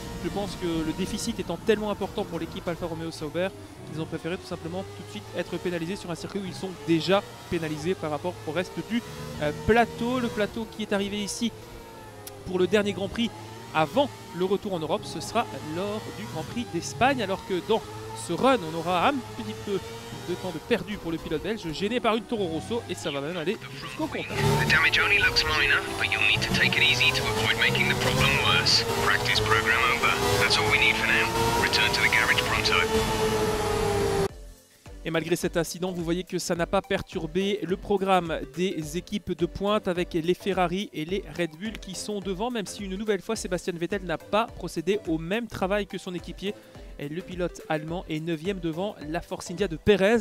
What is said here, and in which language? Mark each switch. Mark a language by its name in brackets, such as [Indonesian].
[French] Je pense que le déficit étant tellement important pour l'équipe Alfa Romeo Sauber, ils ont préféré tout simplement tout de suite être pénalisés sur un circuit où ils sont déjà pénalisés par rapport au reste du plateau. Le plateau qui est arrivé ici pour le dernier Grand Prix avant le retour en Europe, ce sera lors du Grand Prix d'Espagne, alors que dans ce run, on aura un petit peu de temps de perdu pour le pilote belge, gêné par une Toro Rosso, et ça va même aller jusqu'au contact. [English] The damage only looks minor, but you'll need to take it easy to avoid making the problem worse. Practice program over. That's all we need for now. Return to the garage pronto. [French] Et malgré cet incident, vous voyez que ça n'a pas perturbé le programme des équipes de pointe avec les Ferrari et les Red Bull qui sont devant, même si une nouvelle fois, Sébastien Vettel n'a pas procédé au même travail que son équipier. Et le pilote allemand est 9e devant la Force India de Perez.